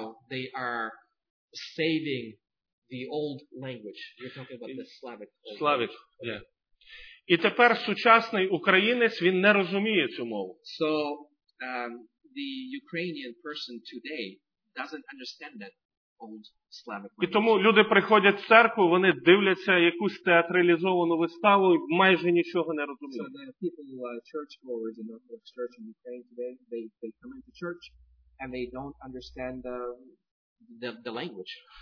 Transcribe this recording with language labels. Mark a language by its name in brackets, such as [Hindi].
[English] They are until now saving the old language. You're talking about the Slavic old Slavic, language. Yeah. [Ukrainian] І тепер сучасний українець, він не розуміє цю мову. [English] So the Ukrainian person today doesn't understand that old Slavic language. [Ukrainian] І тому люди приходять в церкву, вони дивляться якусь театралізовану виставу і майже нічого не розуміють. [English] So the people, churchgoers in the church in Ukraine today, they come into church and they don't understand the language.